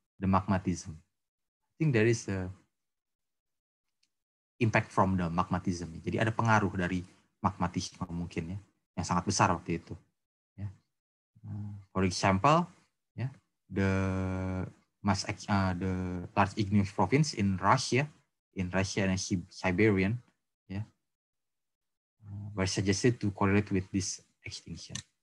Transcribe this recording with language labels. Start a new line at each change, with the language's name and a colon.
English: I think there is a impact from the magmatism.
Indonesian: Jadi ada pengaruh dari magmatisme mungkin yang sangat besar waktu itu.
English: For example, the large igneous province in Russia and Siberian, were suggested to correlate with this extinction.